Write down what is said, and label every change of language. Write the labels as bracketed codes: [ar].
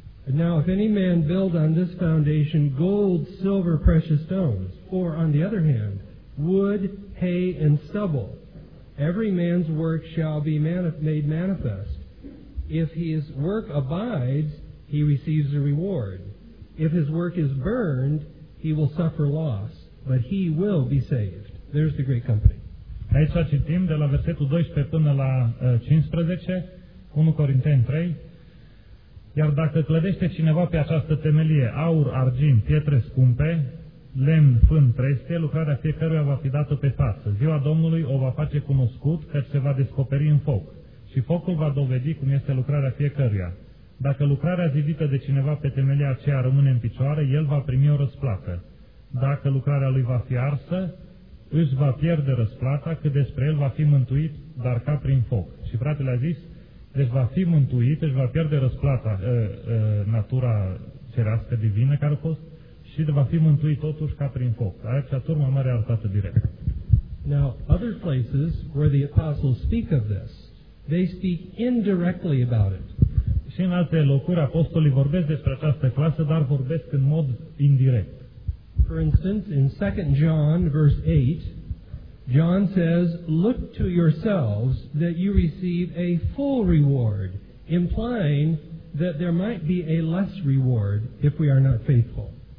[en] Now, if any man build on this foundation gold, silver, precious stones, or, on the other hand, wood, hay, and stubble, every man's work shall be made manifest. If his work abides, he receives a reward. If his work is burned, he will suffer loss, but he will be saved. There's the great company. [ro] Aici să citim de la versetul 12 până la 15, 1 Corinteni 3. Iar dacă clădește cineva pe această temelie aur, argint, pietre scumpe, lemn, fân, trestie, lucrarea fiecăruia va fi dată pe față. Ziua Domnului o va face cunoscut, căci se va descoperi în foc. Și focul va dovedi cum este lucrarea fiecăruia. Dacă lucrarea zidită de cineva pe temelia aceea rămâne în picioare, el va primi o răsplată. Dacă lucrarea lui va fi arsă, își va pierde răsplata, cât despre el va fi mântuit, dar ca prin foc. Și fratele a zis, deci va fi mântuit, deci va pierde răsplata natura cerească divină care a fost și va fi mântuit totuși ca prin foc. Aceea turma mare arătată direct. [en] Now, other places where the apostles speak of this, they speak indirectly about it. [ro] Și în alte locuri apostolii vorbesc despre această clasă, dar vorbesc în mod indirect. [en] For instance, in 2 John verse 8, John says, look to yourselves that you receive a full reward, implying that there might be a less reward if we are not faithful.